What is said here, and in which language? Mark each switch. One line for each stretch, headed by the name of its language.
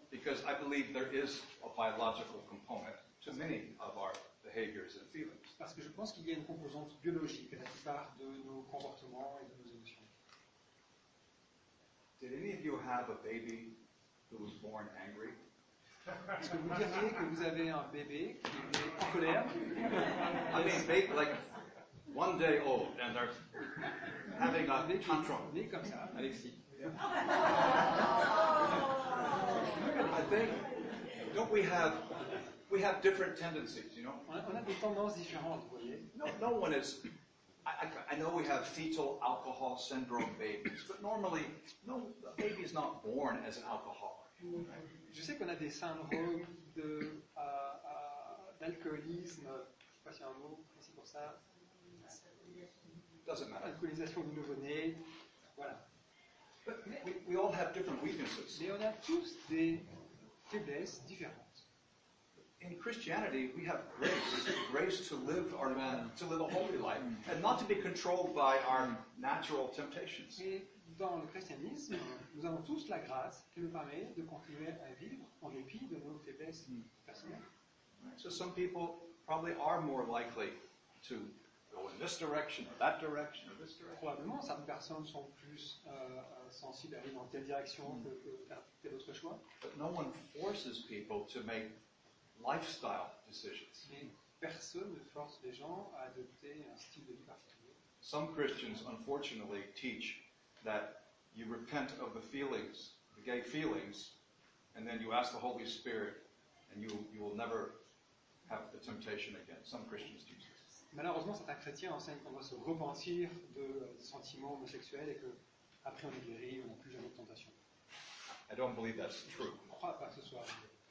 English: Because I believe there is a biological component to many of our behaviors and feelings.
French: Parce que je pense qu'il y a une composante biologique à la plupart de nos comportements et de nos émotions.
English: Did any of you have a baby who was born angry?
French: Est-ce que vous diriez que vous avez un bébé qui est en colère?
English: I mean, they, like one day old and they're having a tantrum.
French: Né comme ça, Alexis.
English: Yeah. I think, don't we have? We have different tendencies, you know.
French: On a des tendances différentes, vous voyez.
English: No one is. I know we have fetal alcohol syndrome babies, but normally, no, the baby is not born as an alcoholic. Right?
French: Je sais qu'on a des syndromes de d'alcoolisme. Je sais pas si un mot précis pour ça.
English: Doesn't matter.
French: Alcoolisation du nouveau-né. Voilà.
English: But we all have different weaknesses.
French: Mais on a tous des faiblesses différentes.
English: In Christianity, we have grace to live our man, to live a holy life, and not to be controlled by our natural temptations.
French: Et dans le christianisme, nous avons tous la grâce qui nous permet de continuer à vivre en dépit de nos faiblesses personnelles.
English: So some people probably are more likely to go in this direction or that direction or this direction.
French: Probablement, certaines personnes sont plus sensibles à vivre dans telle direction que tel autre choix.
English: But no one forces people to make lifestyle decisions.
French: Personne ne force les gens à adopter un style de vie particulier.
English: Some Christians unfortunately teach that you repent of the feelings, the gay feelings, and then you ask the Holy Spirit and you will never have the temptation again. Some Christians teach this.
French: Malheureusement, certains chrétiens enseignent qu'on doit se repentir de sentiments homosexuels et que après on est guéri, on n'a plus jamais de tentation.
English: I don't believe that's true.
French: Je ne crois pas que ce soit vrai.